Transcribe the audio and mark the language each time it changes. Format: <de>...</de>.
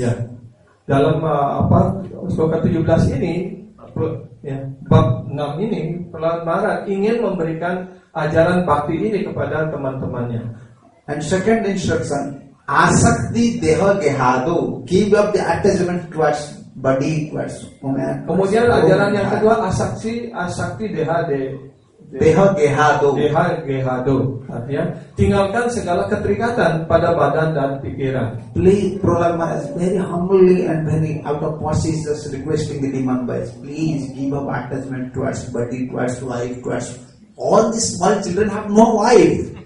<id>Yeah. Dalam sloka 17 ini, bab 6 ini, Prahlad Maharaj ingin memberikan ajaran bhakti ini kepada teman-temannya.</id> <en>And second instruction, asakti deha gehado, give up the attachment towards body, towards woman.</en> <id>Kemudian ajaran yang kedua, asakti deha</id> <sa>deha gehado.</sa> <id>Deha gehado, artinya tinggalkan segala keterikatan pada badan dan pikiran.</id> <en>Please, Prahlad Maharaj very humbly and very out of process requesting the demon boys, please give up attachment towards body, towards wife, towards all these small children have no wife.</en>